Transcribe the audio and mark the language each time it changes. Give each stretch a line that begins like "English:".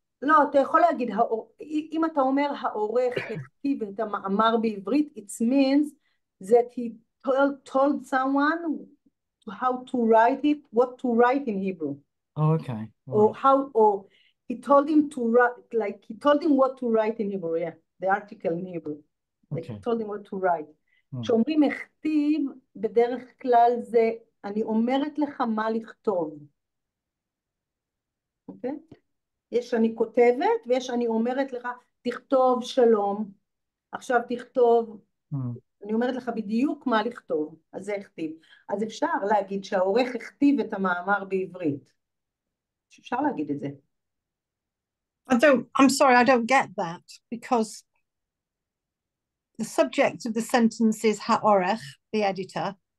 Hebrew: לא, אתה יכול להגיד, אם אתה אומר, האורך הכתיב את המאמר בעברית,
English: it means that he told someone how to write it, what to write in Hebrew. Oh, okay. Right. Or he told him to write, like he told him what to write in Hebrew, yeah, the article in Hebrew. Like okay. He told him what to write.
Hebrew: כשאומרים הכתיב, בדרך כלל זה, אני אומרת לך מה לכתוב. אוקיי? יש אני כותבת ויש אני אומרת לך תכתוב שלום עכשיו תכתוב אני אומרת לך בדיוק מה לכתוב אז זה הכתיב אז אפשר להגיד שהעורך הכתיב את המאמר בעברית אפשר להגיד את זה
English: I'm sorry I don't get that because the subject of the sentence is העורך the editor